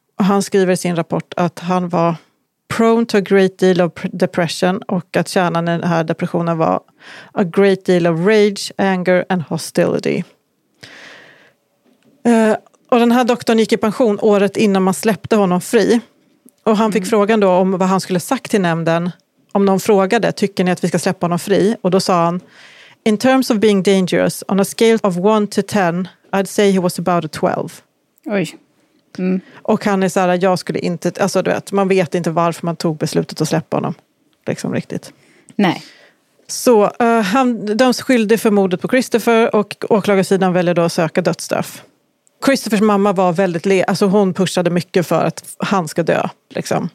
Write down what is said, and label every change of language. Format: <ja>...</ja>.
<sv>Och han skriver i sin rapport att han var</sv> <en>prone to a great deal of depression</en> <sv>och att kärnan i den här depressionen var</sv> <en>a great deal of rage, anger and hostility.</en> <sv>Och den här doktorn gick i pension året innan man släppte honom fri. Och han fick frågan då om vad han skulle sagt till nämnden om någon frågade, tycker ni att vi ska släppa honom fri? Och då sa han,</sv> <en>in terms of being dangerous, on a scale of 1 to 10, I'd say he was about a 12.</en> <sv>Oj. Och han är så här, jag skulle inte, alltså du vet, man vet inte varför man tog beslutet att släppa honom, liksom riktigt. Nej. Så han döms skyldig för mordet på Christopher och åklagarsidan väljer då att söka dödsstraff. Christophers mamma var väldigt alltså hon pushade mycket för att han ska dö, liksom.</sv>